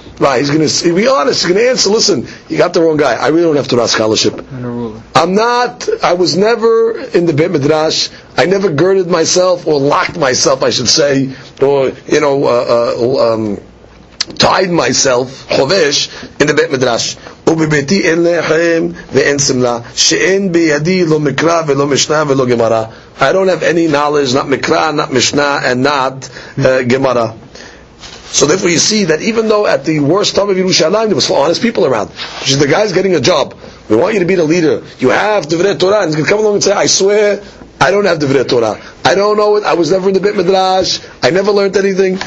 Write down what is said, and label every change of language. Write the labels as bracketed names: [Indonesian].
[English] Right, he's going to be honest, he's going to answer, listen, you got the wrong guy. I really don't have Torah scholarship. I was never in the Beit Midrash. I never girded myself or locked myself, I should say, or, you know, tied myself, chovesh, in the Beit Midrash. [Hebrew] ובביתי אין לחם ואין סמלה שאין בידי לא מקרא ולא משנה ולא גמרא. [English] I don't have any knowledge, not מקרא, not משנה, and not גמרא. So therefore you see that even though at the worst time of Yerushalayim there was honest people around, which is the guy's getting a job, we want you to be the leader, you have Divrei Torah, and he's going to come along and say, I swear I don't have Divrei Torah, I don't know it, I was never in the Beit Midrash, I never learned anything.